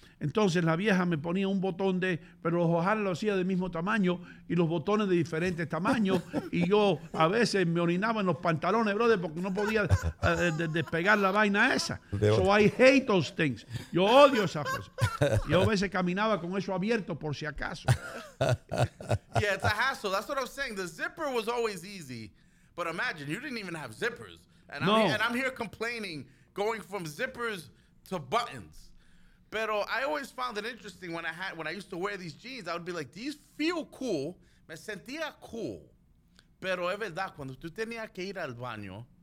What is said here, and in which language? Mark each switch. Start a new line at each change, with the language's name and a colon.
Spanish: Entonces la vieja me ponía un botón de, pero los ojales lo hacía del mismo tamaño y los botones de diferentes tamaños y yo a veces me orinaba en los pantalones, brother, porque no podía despegar la vaina esa.
English: So I hate those things.
Spanish: Yo odio esas cosas. Yo a veces caminaba con eso abierto por si acaso.
English: Yeah, it's a hassle. That's what I'm saying. The zipper was always easy, but imagine you didn't even have zippers. And no. I'm here complaining, going from zippers to buttons. Pero I always found it interesting when I used to wear these jeans, I would be like, these feel cool.
Spanish: Me sentía cool. Pero es verdad, cuando tú tenías que ir al baño,